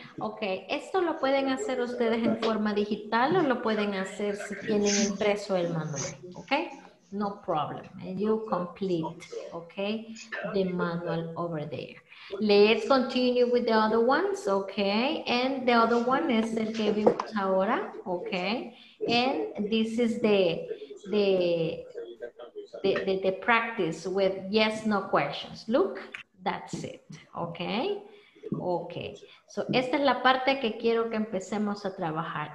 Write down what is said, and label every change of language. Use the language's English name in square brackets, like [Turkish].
[Spanish] Okay, esto lo pueden hacer ustedes en forma digital o lo pueden hacer si tienen impreso el manual, okay? [English] No problem. And you complete, okay, the manual over there. Let's continue with the other ones, okay? And the other one is [Spanish] el que vimos ahora, [English] okay? And this is the practice with yes, no questions. Look, that's it. Okay. Okay. [Spanish] So esta es la parte que quiero que empecemos a trabajar.